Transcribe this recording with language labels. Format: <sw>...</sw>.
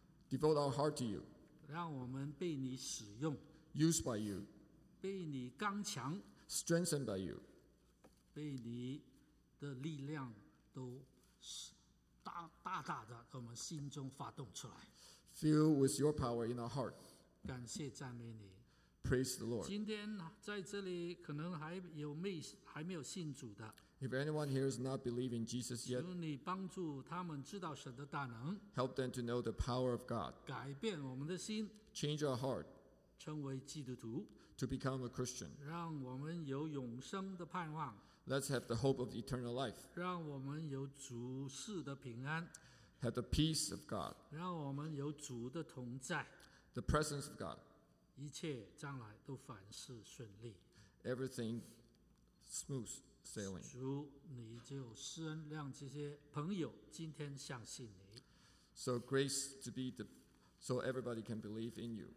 <en>Devote our heart to you.</en> <zh>让我们被你使用。</zh> <en>Used by you.</en> <zh>被你刚强。</zh> <en>Strengthened by you.</en> <zh>被你的力量都大大的在我们心中发动出来。</zh> <en>Fill with your power in our heart.</en> <zh>感谢赞美你。</zh> <en>Praise the Lord.</en> <zh>今天在这里可能还没有信主的。</zh> <en>If anyone here is not believing Jesus yet,</en> <zh>求你帮助他们知道神的大能。</zh> <en>Help them to know the power of God.</en> <zh>改变我们的心。</zh> <en>Change our heart.</en> <zh>成为基督徒。</zh> <en>To become a Christian.</en> <zh>让我们有永生的盼望。</zh> <en>Let's have the hope of eternal life.</en> <zh>让我们有主事的平安。</zh> <en>Have the peace of God.</en> <zh>让我们有主的同在。</zh> <en>The presence of God.</en> <zh>一切将来都凡事顺利。</zh> <en>Everything smooth, sailing.</en> <zh>主，你就施恩让这些朋友今天相信你。</zh> <en>So grace to be the, so everybody can believe in you.</en>